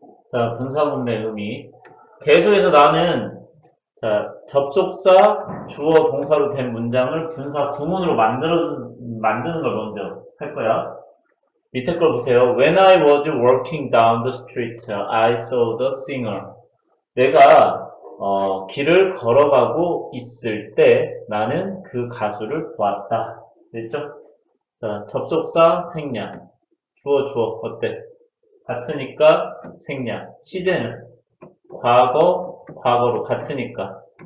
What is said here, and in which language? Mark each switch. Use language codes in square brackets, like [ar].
[ko] 자, 분사문의 의미. 계속해서 나는 자, 접속사, 주어, 동사로 된 문장을 분사 구문으로 만드는 걸 먼저 할 거야. 밑에 걸 보세요. [en] When I was walking down the street, I saw the singer. [ko] 내가 길을 걸어가고 있을 때 나는 그 가수를 보았다. 됐죠? 자, 접속사 생략. 주어. 어때? 같으니까 생략. 시제는 과거로 같으니까.